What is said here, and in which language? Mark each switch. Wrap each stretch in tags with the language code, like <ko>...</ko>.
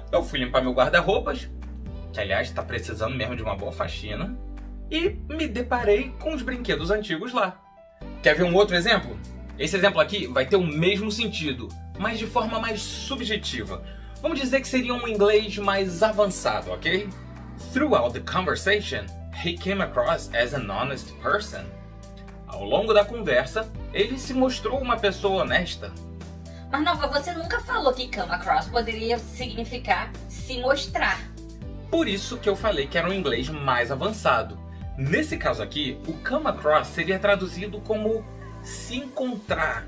<pt>Eu fui limpar meu guarda-roupas, que aliás tá precisando mesmo de uma boa faxina, e me deparei com os brinquedos antigos lá. Quer ver um outro exemplo? Esse exemplo aqui vai ter o mesmo sentido, mas de forma mais subjetiva. Vamos dizer que seria um inglês mais avançado, ok?</pt> <en>Throughout the conversation, he came across as an honest person.</en> <pt>Ao longo da conversa, ele se mostrou uma pessoa honesta. Manova, você nunca falou que come across poderia significar se mostrar. Por isso que eu falei que era um inglês mais avançado. Nesse caso aqui, o come across seria traduzido como se encontrar.</pt>